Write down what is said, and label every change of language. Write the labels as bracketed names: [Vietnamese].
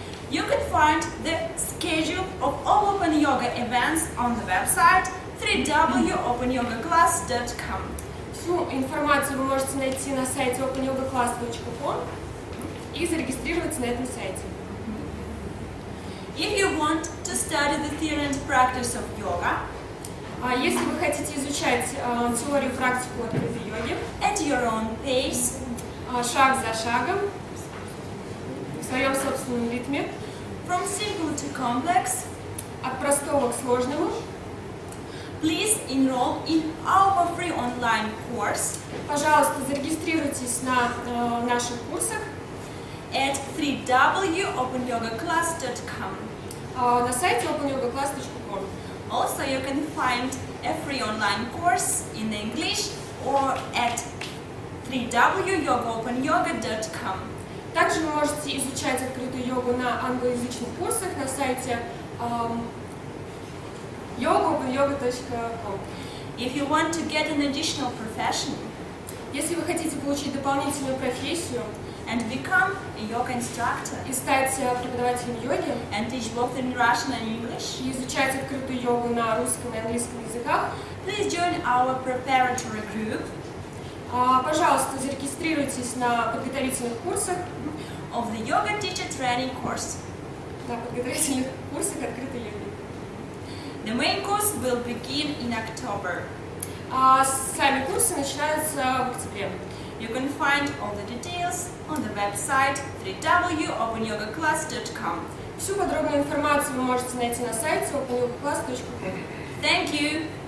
[English] You can find the schedule of all Open Yoga events on the website www.openyogaclass.com. [Russian] Всю информацию вы можете найти на сайте openyogaclass.com и зарегистрироваться на этом сайте. [English] If you want to study the theory and practice of yoga, [Russian] если вы хотите изучать теорию и практику открытой йоги, [English] at your own pace, [Russian] шаг за шагом, в своем собственном ритме, [English] from simple to complex, [Russian] от простого к сложному, [English] please enroll in our free online course. [Russian] Пожалуйста, зарегистрируйтесь на наших курсах [English] at www.openyogaclass.com. [Russian] На сайте openyogaclass.com. [English] Also, you can find a free online course in English or at www.yogaopenyoga.com. [Russian] Также вы можете изучать открытую йогу на англоязычных курсах на сайте yoga.com. [English] If you want to get an additional profession, [Russian] если вы хотите получить дополнительную профессию, [English] and become a yoga instructor, [Russian] и стать преподавателем йоги, [English] and teach both in Russian and English, [Russian] и изучать открытую йогу на русском и английском языках, [English] please join our preparatory group. [Russian] Пожалуйста, зарегистрируйтесь на подготовительных курсах [English] of the yoga teacher training course. [Russian] На подготовительных курсах открытой йоги. [English] The main course will begin in October. [Russian] Сами курсы начинаются в октябре. [English] You can find all the details on the website www.openyogaclass.com. [Russian] Всю подробную информацию вы можете найти на сайте openyogaclass.com. [English] Thank you!